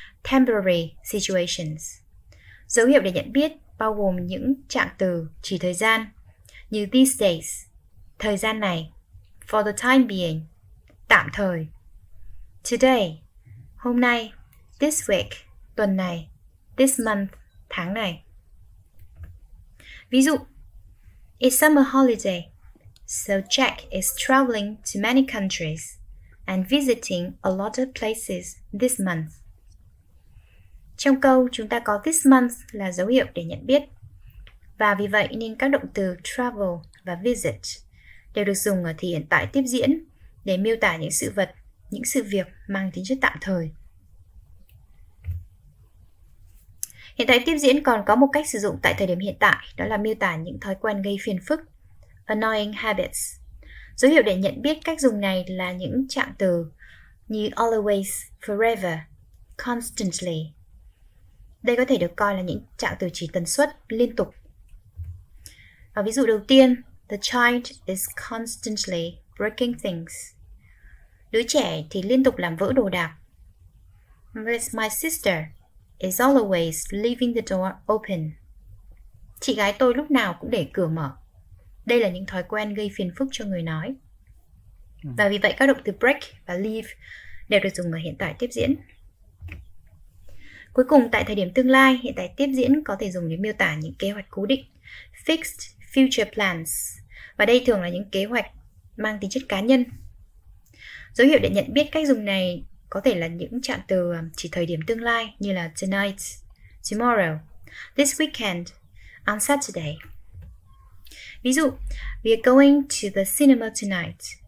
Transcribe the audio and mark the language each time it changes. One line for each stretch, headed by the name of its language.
Vietnamese: Temporary situations. Dấu hiệu để nhận biết bao gồm những trạng từ chỉ thời gian như these days, thời gian này, for the time being, tạm thời, today, hôm nay, this week, tuần này, this month, tháng này. Ví dụ,
English: it's summer holiday, so Jack is traveling to many countries and visiting a lot of places this month.
Vietnamese: Trong câu chúng ta có this month là dấu hiệu để nhận biết. Và vì vậy nên các động từ travel và visit đều được dùng ở thì hiện tại tiếp diễn để miêu tả những sự vật, những sự việc mang tính chất tạm thời. Hiện tại tiếp diễn còn có một cách sử dụng tại thời điểm hiện tại, đó là miêu tả những thói quen gây phiền phức, annoying habits. Dấu hiệu để nhận biết cách dùng này là những trạng từ như always, forever, constantly. Đây có thể được coi là những trạng từ chỉ tần suất, liên tục. Và ví dụ đầu tiên,
English: the child is constantly breaking things.
Vietnamese: Đứa trẻ thì liên tục làm vỡ đồ đạc.
English: My sister is always leaving the door open.
Vietnamese: Chị gái tôi lúc nào cũng để cửa mở. Đây là những thói quen gây phiền phức cho người nói. Và vì vậy các động từ break và leave đều được dùng ở hiện tại tiếp diễn. Cuối cùng, tại thời điểm tương lai, hiện tại tiếp diễn có thể dùng để miêu tả những kế hoạch cố định, fixed future plans. Và đây thường là những kế hoạch mang tính chất cá nhân. Dấu hiệu để nhận biết cách dùng này có thể là những trạng từ chỉ thời điểm tương lai như là tonight, tomorrow, this weekend, on Saturday. Ví dụ,
English: we are going to the cinema tonight.